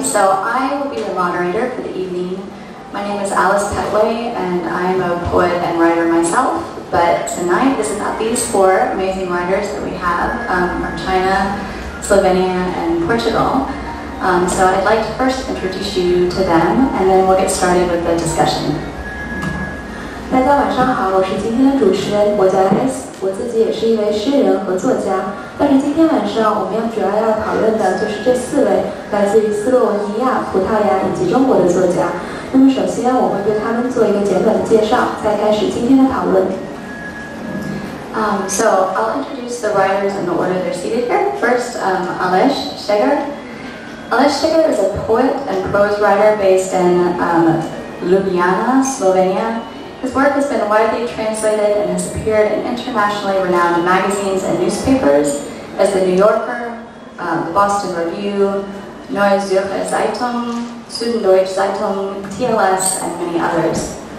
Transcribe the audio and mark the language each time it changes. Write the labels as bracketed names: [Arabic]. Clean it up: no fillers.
[English] So I will be your moderator for the evening. My name is Alice Petway, and I'm a poet and writer myself. But tonight, this is about these four amazing writers that we have from China, Slovenia, and Portugal. So I'd like to first introduce you to them, and then we'll get started with the discussion. [Chinese] 大家晚上好，我是今天的主持人，我叫 S， 我自己也是一位诗人和作家，但是今天晚上我们要主要要讨论的就是这四位来自于斯洛文尼亚、葡萄牙以及中国的作家。那么首先我会对他们做一个简短的介绍，再开始今天的讨论。 [English] So I'll introduce the writers in the order they're seated here. First, Aleš Šteger. Aleš Šteger is a poet and prose writer based in Ljubljana, Slovenia. His work has been widely translated and has appeared in internationally renowned magazines and newspapers as The New Yorker, The Boston Review, Neue Zürcher Zeitung, Süddeutsche Zeitung, TLS, and many others.